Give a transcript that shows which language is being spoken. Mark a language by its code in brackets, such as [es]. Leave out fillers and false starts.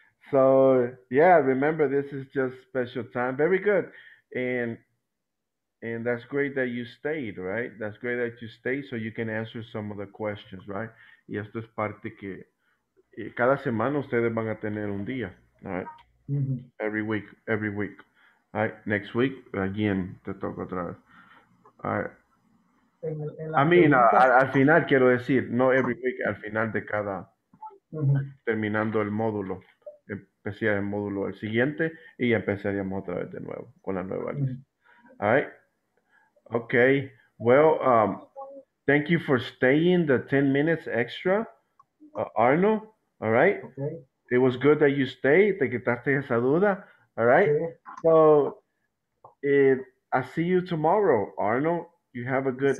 [en] So, yeah, remember, this is just special time. Very good. And that's great that you stayed, right? That's great that you stayed so you can answer some of the questions, right? [es] Y esto es parte que cada semana ustedes van a tener un día, all right? [en] Mm-hmm. Every week. All right, next week, again, [es] te toco otra vez. [en] All right. [es] Al final quiero decir, no [en] every week, [es] al final de cada, mm-hmm. terminando el módulo. Empecé el módulo el siguiente y empezaríamos otra vez de nuevo con la nueva lista. [en] Mm-hmm. All right. Okay, well, thank you for staying the 10 minutes extra, Arno, all right? Okay. It was good that you stayed, [es] te quitaste esa duda, [en] all right? Okay. So, I'll see you tomorrow, Arno. You have a good